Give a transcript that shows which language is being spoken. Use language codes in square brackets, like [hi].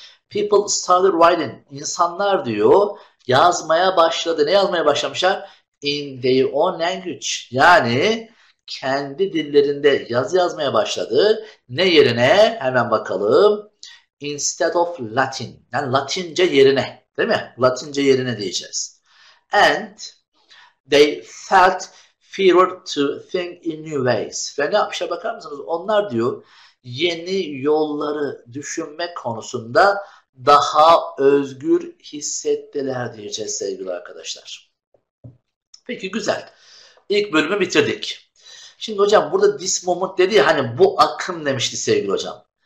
[en] People started writing, [tr] insanlar diyor, yazmaya başladı. Ne yazmaya başlamışlar? [en] In their own language, [tr] yani kendi dillerinde yazı yazmaya başladı. Ne yerine? Hemen bakalım. [en] Instead of Latin, [tr] yani Latince yerine, değil mi? Latince yerine diyeceğiz. [en] And they felt fewer to think in new ways. [tr] Ve ne yapmışa bakar mısınız? Onlar diyor yeni yolları düşünme konusunda daha özgür hissettiler diyeceğiz sevgili arkadaşlar. Peki güzel. İlk bölümü bitirdik. Şimdi hocam burada [en] this moment [tr] dedi ya hani bu akım demişti sevgili hocam.